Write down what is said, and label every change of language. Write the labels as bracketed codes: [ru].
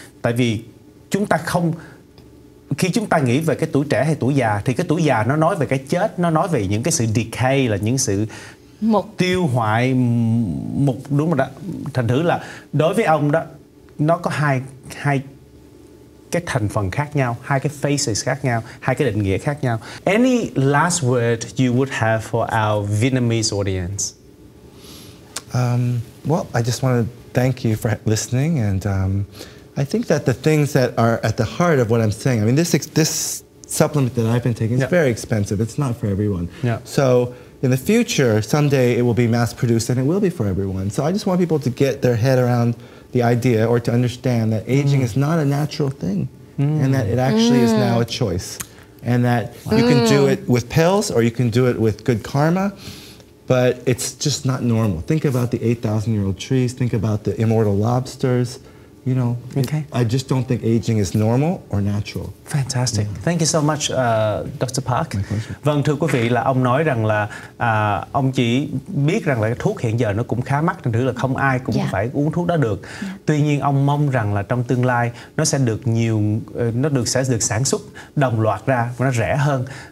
[vi] Tại vì chúng ta không, khi chúng ta nghĩ về cái tuổi trẻ hay tuổi già, thì cái tuổi già nó nói về cái chết, nó nói về những cái sự decay, là những sự một tiêu hoại mục, đúng rồi đó. Thành thử là đối với ông đó, nó có hai cái thành phần khác nhau, hai cái faces khác nhau, hai cái định nghĩa khác nhau. [en] Any last word you would have for our Vietnamese audience? Well, I just want to thank you for listening, and I think that the things that are at the heart of what I'm saying, I mean, this supplement that I've been taking is very expensive. It's not for everyone. Yeah. So in the future, someday it will be mass produced and it will be for everyone. So I just want people to get their head around the idea, or to understand that aging is not a natural thing, and that it actually is now a choice, and that you can do it with pills or you can do it with good karma, but it's just not normal. Think about the 8,000-year-old trees. Think about the immortal lobsters. You know, I just don't think aging is normal or natural. Fantastic. Yeah. Thank you so much, Dr. Park. My pleasure. [vi] Vâng, thưa quý vị, là ông nói rằng là ông chỉ biết rằng là cái thuốc hiện giờ nó cũng khá mắc, thành thử là không ai cũng phải uống thuốc đó được. [en] Yeah. [vi] Tuy nhiên, ông mong rằng là trong tương lai nó sẽ được sẽ được sản xuất đồng loạt ra và nó rẻ hơn.